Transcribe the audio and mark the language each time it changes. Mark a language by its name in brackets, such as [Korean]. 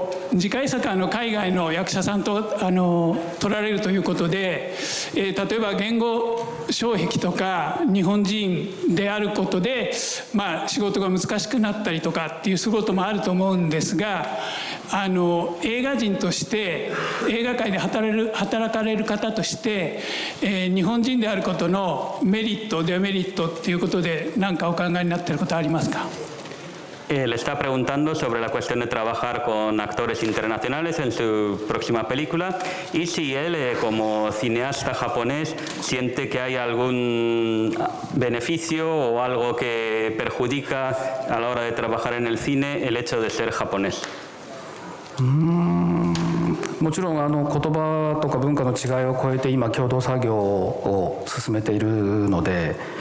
[Japanese] 次回作は海外の役者さんと取られるということで、例えば言語障壁とか日本人であることで、まあ、仕事が難しくなったりとかっていう仕事もあると思うんですが、映画人として映画界で働かれる方として、日本人であることのメリットデメリットっていうことで何かお考えになっていることありますか？ [Spanish] Le está preguntando sobre la cuestión de trabajar con actores internacionales en su próxima película y si él, como cineasta japonés, siente que hay algún beneficio o algo que perjudica a la hora de trabajar en el cine el hecho de ser japonés. [Japanese] もちろん言葉とか文化の違いを超えて今共同作業を進めているので。